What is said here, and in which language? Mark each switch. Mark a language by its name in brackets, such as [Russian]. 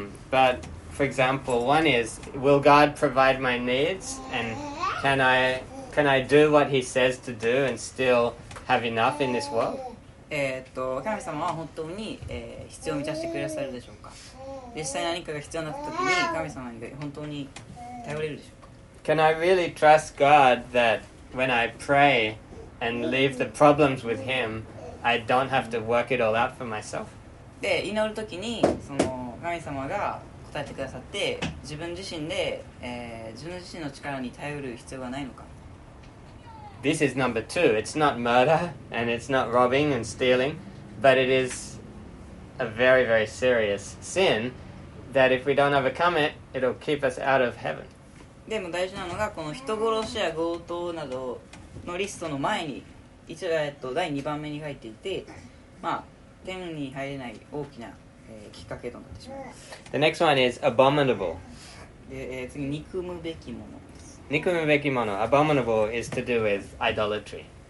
[English] But for example, one is, will God provide my needs? And can I do what he says to do and still have enough in this world? [Japanese] 神様は本当に、必要を満たしてくださるでしょうか。実際何かが必要になった時に神様に本当に頼れるでしょうか。 [English] Can I really trust God that when I pray and leave the problems with him, I don't have to work it all out for myself? [Japanese] で、祈る時にその神様が答えてくださって、自分自身で、自分自身の力に頼る必要がないのか。 [English] This is number two. It's not murder and it's not robbing and stealing, but it isa very, very serious sin that if we don't overcome it, it'll keep us out of heaven. [Japanese] でも大事なのが、この人殺しや強盗などのリストの前に第2番目に入っていて、まあ、天に入れない大きな、きっかけとなってしまいます。 [English] The next one is abominable. [Japanese] 次、憎むべきものです。憎むべきもの、 [English] abominable, is to do with idolatry.